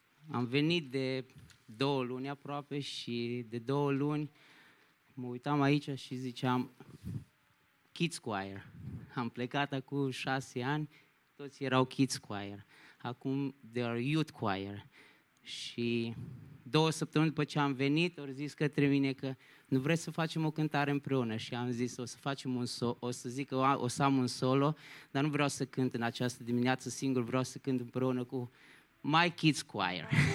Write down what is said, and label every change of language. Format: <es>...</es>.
<ro>Am venit de două luni aproape și de două luni mă uitam aici și ziceam Kids Choir. Am plecat acum 6 ani, toți erau Kids Choir. Acum</ro> <en>they are Youth Choir.</en> <ro>Și două săptămâni după ce am venit, au zis către mine că nu vreți să facem o cântare împreună și am zis o să am un solo, dar nu vreau să cânt în această dimineață singur, vreau să cânt împreună cu My Kids Choir.</ro>